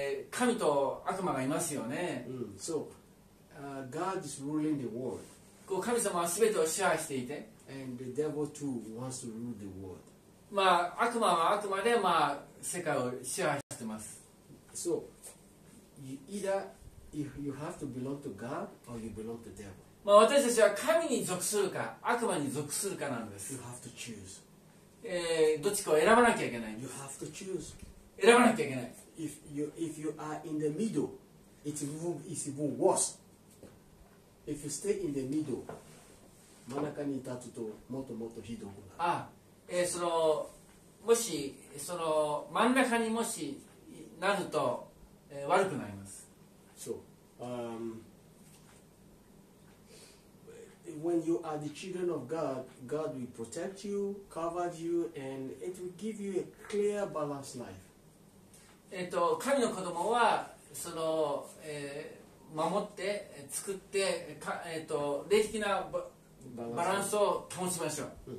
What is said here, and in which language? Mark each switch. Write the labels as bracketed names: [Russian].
[Japanese] 神と悪魔がいますよね。 [English] So, God is ruling the world. [Japanese] 神様はすべてを支配していて、 [English] and the devil too wants to rule the world. [Japanese] まあ悪魔はあくまで、まあ、世界を支配しています。 [English] So, either you have to belong to God or you belong to the devil. [Japanese] まあ私たちは神に属するか悪魔に属するかなんです。 [English] You have to choose. [Japanese] どっちかを選ばなきゃいけない。 [English] You have to choose. [Japanese] 選ばなきゃいけない。 [English] If you are in the middle, it's even worse. If you stay in the middle, [Japanese] 真ん中に立つともっともっとひどくなる。そのもしその真ん中にもしなると、悪くなります。 [English] So, when you are the children of God, God will protect you, cover you, and it will give you a clear, balanced life. [Japanese] 神の子供はその、守って作って、霊的なバランスを保ちましょう。